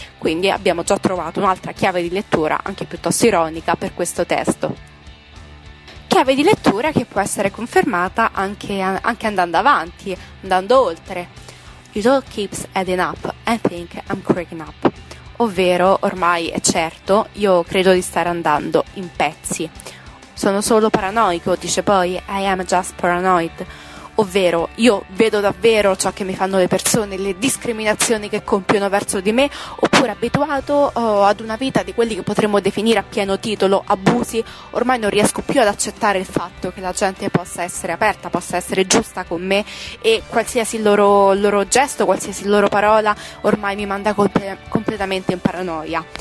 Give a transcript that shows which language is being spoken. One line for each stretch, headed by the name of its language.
Italian: Quindi abbiamo già trovato un'altra chiave di lettura, anche piuttosto ironica, per questo testo. Chiave di lettura che può essere confermata anche andando avanti, andando oltre.
English: "It all keeps adding up, I think I'm cracking up".
Italian: Ovvero, ormai è certo, io credo di stare andando in pezzi. "Sono solo paranoico", dice poi,
English: "I am just paranoid".
Italian: Ovvero, io vedo davvero ciò che mi fanno le persone, le discriminazioni che compiono verso di me, oppure abituato ad una vita di quelli che potremmo definire a pieno titolo abusi, ormai non riesco più ad accettare il fatto che la gente possa essere aperta, possa essere giusta con me, e qualsiasi loro gesto, qualsiasi loro parola, ormai mi manda completamente in paranoia.